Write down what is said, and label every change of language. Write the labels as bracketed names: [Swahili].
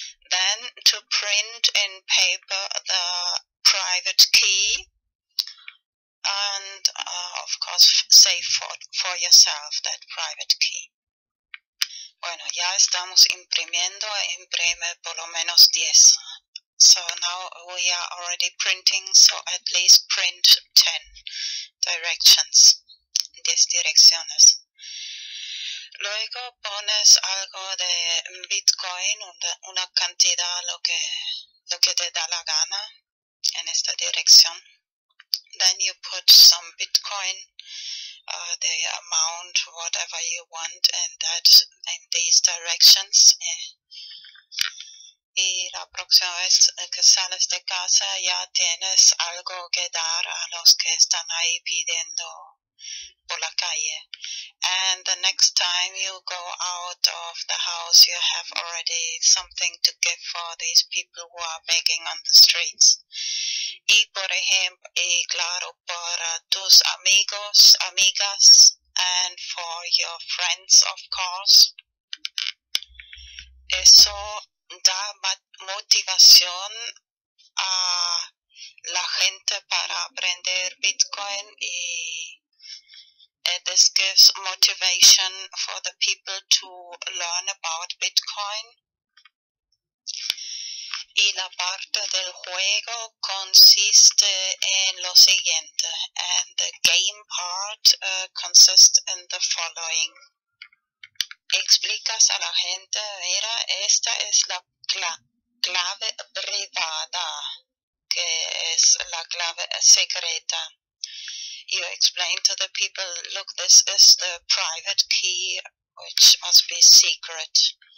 [English] Then, to print in paper the private key and, of course, save for yourself that private key. [Spanish] Bueno, ya estamos imprimiendo, imprime por lo menos 10. [English] So now we are already printing, so at least print 10 directions, [Spanish] 10 direcciones. Luego pones algo de Bitcoin, una cantidad, lo que te da la gana en esta dirección. [English] Then you put some Bitcoin, the amount, whatever you want, in these directions. [Spanish] Y la próxima vez que sales de casa ya tienes algo que dar a los que están ahí pidiendo por la calle. [English] And the next time you go out of the house, you have already something to give for these people who are begging on the streets. [Spanish] Y por ejemplo, y claro, para tus amigos, amigas, [English] and for your friends, of course. [Spanish] Eso da motivación a la gente para aprender Bitcoin y [English] this gives motivation for the people to learn about Bitcoin. [Spanish] Y la parte del juego consiste en lo siguiente, [English] and the game part consists in the following. [Spanish] Explicas a la gente, mira, esta es la clave privada, que es la clave secreta. [English] You explain to the people, look, this is the private key, which must be secret.